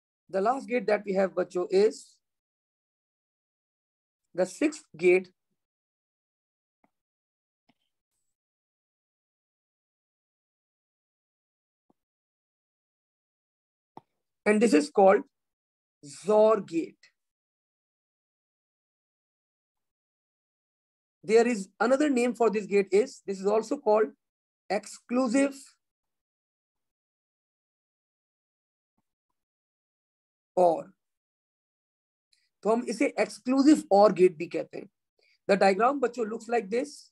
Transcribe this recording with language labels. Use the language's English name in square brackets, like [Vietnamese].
[English] The last gate that we have बच्चो is the sixth gate, and this is called XOR gate. There is another name for this gate, is this is also called exclusive OR. [Hindi] तो हम इसे exclusive OR gate भी कहते हैं। [English] The diagram बच्चों looks like this.